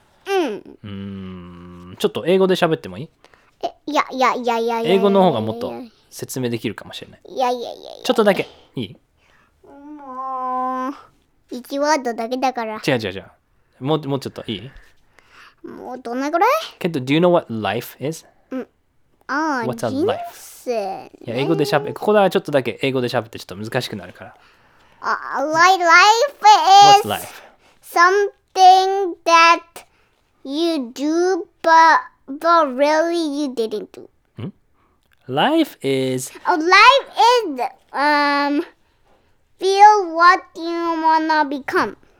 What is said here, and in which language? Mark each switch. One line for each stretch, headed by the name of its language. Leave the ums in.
Japanese: うんうんちょっと英語で喋ってもいいえいやいやいやいや英語の方がもっといやいやいや説明できるかもしれない。いやいやいやいや。ちょっとだけ。いい。もう。1ワードだけだから。違う違う違う。もうもうちょっといい。もうどんなぐらいけと、
English: Do you know what life is?
Japanese: うん。ああ、What's 人生、ね。 Life? いや、英語でしゃべる。ここではちょっとだけ英語でしゃべってちょっと難しくなるから。
English: あ、uh, life is life? something that you do but, but really you didn't do. Life is. Oh, life is. Um, feel what you wanna become.